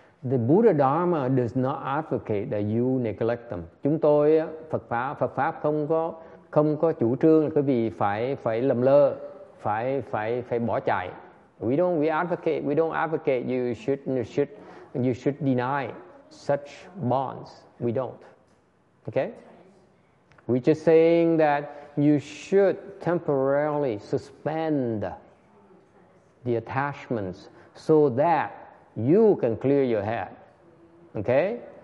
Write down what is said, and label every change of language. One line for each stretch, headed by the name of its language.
English: The Buddha Dharma does not advocate that you neglect them.
Vietnamese: Chúng tôi Phật pháp không có chủ trương là quý vị phải lầm lơ, phải bỏ chạy.
English: We don't advocate you should deny such bonds. We don't. Okay? We're just saying that you should temporarily suspend the attachments so that you can clear your head. Okay?